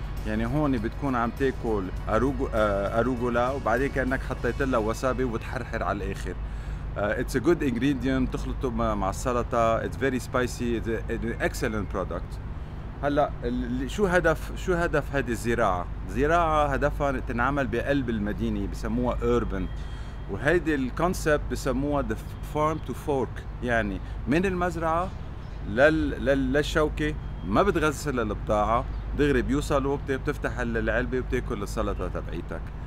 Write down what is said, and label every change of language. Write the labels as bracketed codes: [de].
[ar] يعني هون بتكون عم تاكل أروبولا وبعدين كأنك حطيت لها وسابي وبتحرحر على الآخر. [en] It's a good ingredient, [ar] تخلطه مع السلطة. [en] It's very spicy, it's an excellent product. [ar] هلا شو هدف هذه الزراعة؟ زراعة هدفها تنعمل بقلب المدينة, بسموها urban. وهيدي الكونسبت بسموها [en] the farm to fork, [ar] يعني من المزرعة للشوكة. ما بتغسل البضاعة دغري, بيوصلوا بتفتح العلبة وبتاكل السلطة تبعيتك.